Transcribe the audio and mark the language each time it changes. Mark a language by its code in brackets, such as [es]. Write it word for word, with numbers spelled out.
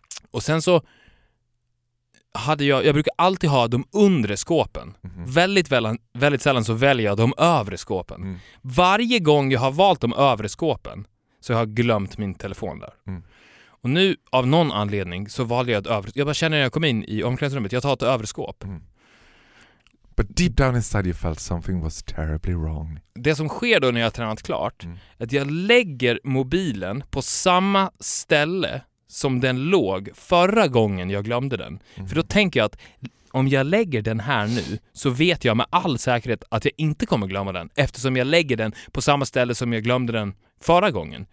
[sv] Och sen så hade jag, jag brukar alltid ha de undre skåpen. Mhm. Väldigt, väl, väldigt sällan så väljer jag de övre skåpen. Mm. Varje gång jag har valt de övre skåpen så har jag glömt min telefon där. Mm. Och nu av någon anledning så valde jag ett övre. Jag bara känner när jag kom in i omklädningsrummet, jag tar ett övre skåp. [en] But deep down inside you felt something was terribly wrong. [sv] Det som sker då när jag har tränat klart Mm. är att jag lägger mobilen på samma ställe som den låg förra gången jag glömde den. Mm. För då tänker jag att om jag lägger den här nu så vet jag med all säkerhet att jag inte kommer glömma den. Eftersom jag lägger den på samma ställe som jag glömde den förra gången.